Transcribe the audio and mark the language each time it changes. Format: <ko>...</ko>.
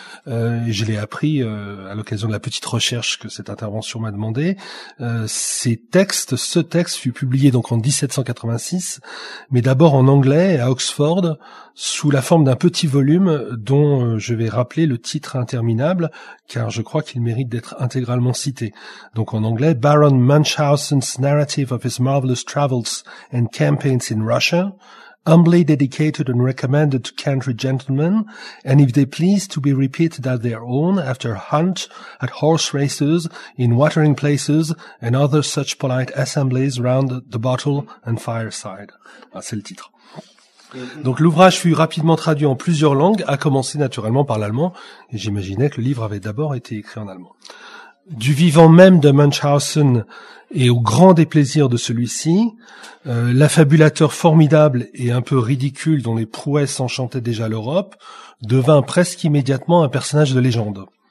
<fr>Je l'ai appris à l'occasion de la petite recherche que cette intervention m'a demandé. Ce texte fut publié donc en 1786, mais d'abord en anglais à Oxford, sous la forme d'un petit volume dont je vais rappeler le titre interminable, car je crois qu'il mérite d'être intégralement cité. Donc en anglais,</fr> <en>Baron Munchausen's Narrative of His Marvelous Travels and Campaigns in Russia, humbly dedicated and recommended to country gentlemen, and if they please to be repeated at their own after a hunt, at horse races, in watering places, and other such polite assemblies round the bottle and fireside.</en> <fr>Ah, c'est le titre. Donc l'ouvrage fut rapidement traduit en plusieurs langues, à commencer naturellement par l'allemand, et j'imaginais que le livre avait d'abord été écrit en allemand. Du vivant même de Munchausen, et au grand déplaisir de celui-ci, l'affabulateur formidable et un peu ridicule dont les prouesses enchantaient déjà l'Europe, devint presque immédiatement un personnage de légende.</fr>